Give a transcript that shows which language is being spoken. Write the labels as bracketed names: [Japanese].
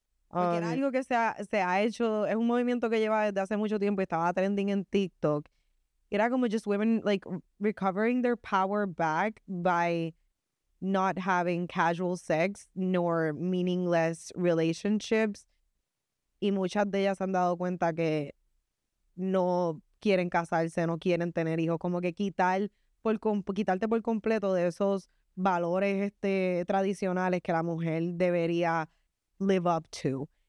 [Spanish] Porque era algo que se ha hecho, es un movimiento que lleva desde hace mucho tiempo y estaba trending en TikTok. Era como [English] just women like recovering their power back by not having casual sex nor meaningless relationships. [Spanish] Y muchas de ellas han dado cuenta que no quieren casarse, no quieren tener hijos, como que quitarte por completo de esos valores tradicionales que la mujer debería [English] live up to.